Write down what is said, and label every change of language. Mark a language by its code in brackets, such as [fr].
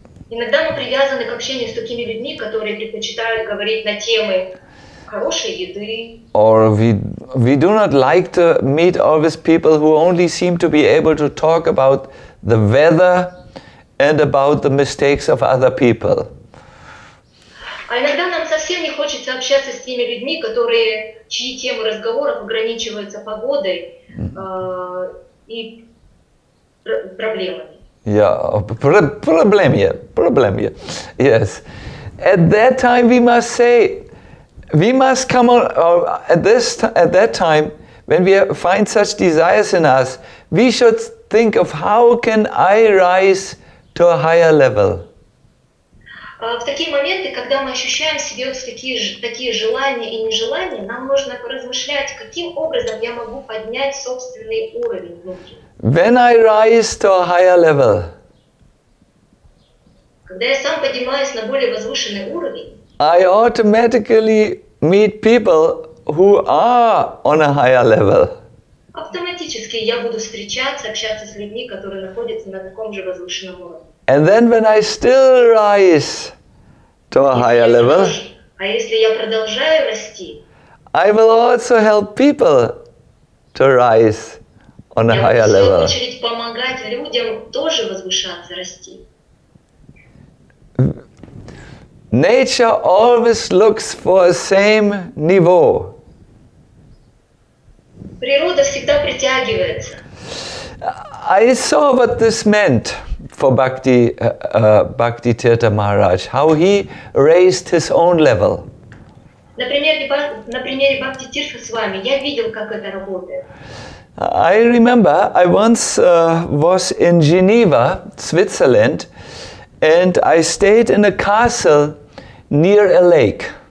[ru] иногда мы привязаны к общению с такими людьми, которые предпочитают говорить на темы хорошей еды. [en] Or we do not like to meet all these people who only seem to be able to talk about the weather and about the mistakes of other people. [ru] А иногда нам совсем не хочется общаться с теми людьми, которые чьи темы разговоров ограничиваются погодой и проблемами. [en] Yeah, problem here, problem here. Yes, at that time we must say, we must come on. At that time, when we find such desires in us, we should think of how can I rise to a higher level. [ru] В такие моменты, когда мы ощущаем в себе такие желания и нежелания, нам нужно поразмышлять, каким образом я могу поднять собственный уровень внутри. [en] When I rise to a higher level, [ru] когда я сам поднимаюсь на более возвышенный уровень, [en] I automatically meet people who are on a higher level. [ru] Автоматически я буду встречаться, общаться с людьми, которые находятся на таком же возвышенном уровне. [en] And then when I still rise to a higher level, [ru] а если я продолжаю расти, [en] I will also help people to rise on a higher level. [ru] Я буду в свою очередь помогать людям тоже возвышаться, расти. [en] Nature always looks for the same niveau. [ru] Природа всегда притягивается. [en] I saw what this meant for Bhakti Tirtha Maharaj, how he raised his own level. [ru] На примере Бхакти Тирта с вами я видел, как это работает. [en] I remember I once was in Geneva, Switzerland, and I stayed in a castle near a lake.